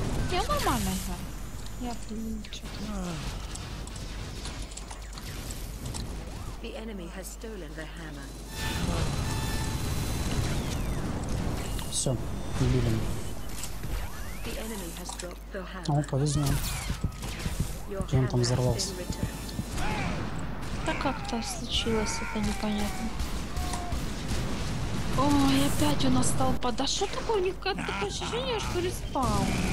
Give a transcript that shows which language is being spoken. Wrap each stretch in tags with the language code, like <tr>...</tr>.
<ru>Я нормально играю. Я, блин, чё-то...</ru> <en>The enemy has stolen the hammer.</en> <ru>Все, убили.</ru> <en>The enemy has dropped the hammer.</en> <ru>О, повезло. Где он там взорвался? Да как так случилось, это непонятно. Ой, опять у нас толпа. Да что такое, у них какое-то такое ощущение, что респаун.</ru>